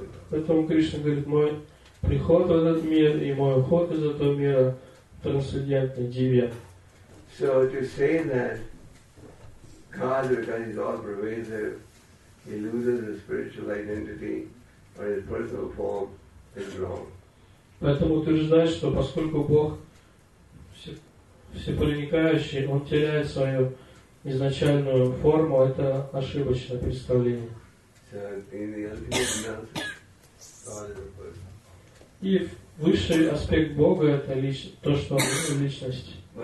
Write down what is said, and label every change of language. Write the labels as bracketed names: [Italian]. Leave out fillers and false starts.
[Russian] Поэтому Кришна говорит, мой приход в этот мир и мой уход из этого мира трансцендентный, дивья. [English] So to say that God, because he's all pervasive, he loses his spiritual identity or his personal form is wrong. [Russian] Поэтому утверждать, что поскольку Бог всепроникающий, он теряет свою изначальную форму, это ошибочное представление. [English] So in the ultimate analysis, God is a person. [Russian] И высший аспект Бога – это то, что Он – личность.